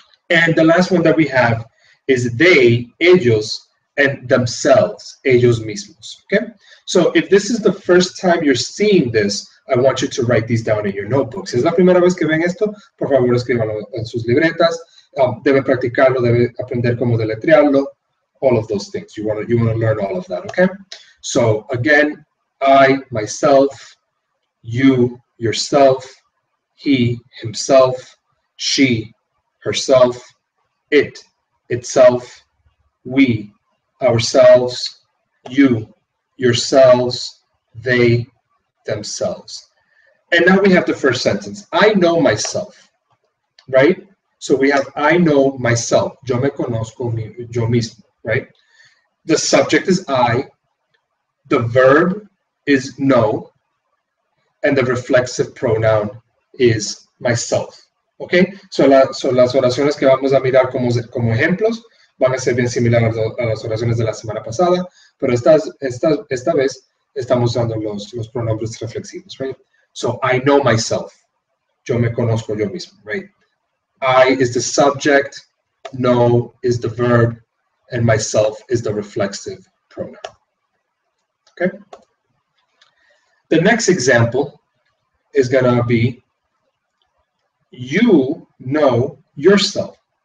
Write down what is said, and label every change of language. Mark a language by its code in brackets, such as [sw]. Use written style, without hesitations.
[en] And the last one that we have is they, ellos, and themselves, ellos mismos, okay? So if this is the first time you're seeing this, I want you to write these down in your notebooks. [es] Si es la primera vez que ven esto, por favor, escríbanlo en sus libretas. Debe practicarlo, debe aprender cómo deletrearlo, [en] all of those things. You want to learn all of that, okay? So again, I, myself, you, yourself, he, himself, she, herself, it, itself, we, ourselves, you, yourselves, they, themselves. And now we have the first sentence. I know myself, right? So we have I know myself. [es] Yo me conozco yo mismo, [en] right? The subject is I. The verb is no, and the reflexive pronoun is myself. [es] Okay, so las oraciones que vamos a mirar como, como ejemplos van a ser bien similares a las oraciones de la semana pasada, pero esta vez estamos usando los pronombres reflexivos, right? [en] So I know myself. [es] Yo me conozco yo mismo, [en] right? I is the subject, no is the verb, and myself is the reflexive pronoun. Okay? The next example is gonna be you know yourself.